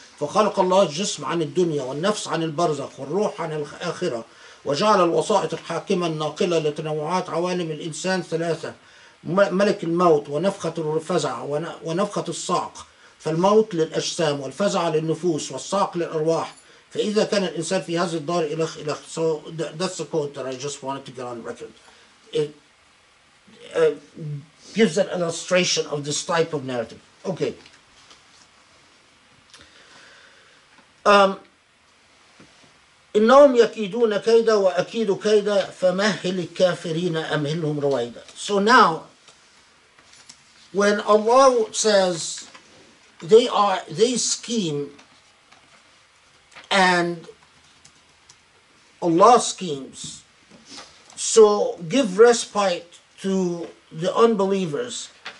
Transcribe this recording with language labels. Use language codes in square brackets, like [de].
[ar] فخلق الله الجسم عن الدنيا والنفس عن البرزخ والروح عن الآخرة وجعل الوسائط الحاكمة الناقلة لتنوعات عوالم الإنسان ثلاثة: ملك الموت ونفخة الفزع ونفخة الصعق، فالموت للأجسام والفزع للنفوس والصعق للأرواح. فإذا كان الإنسان في هذا الدار إلخ إلخ. [en] So that's the quote that I just wanted to get on record. It gives an illustration of this type of narrative. Okay. [ar] إنهم يكيدون كيدا وأكيد كيدا فمهل الكافرين أمهلهم رويدا. [en] So now, when Allah says they scheme and Allah schemes, so give respite to the unbelievers.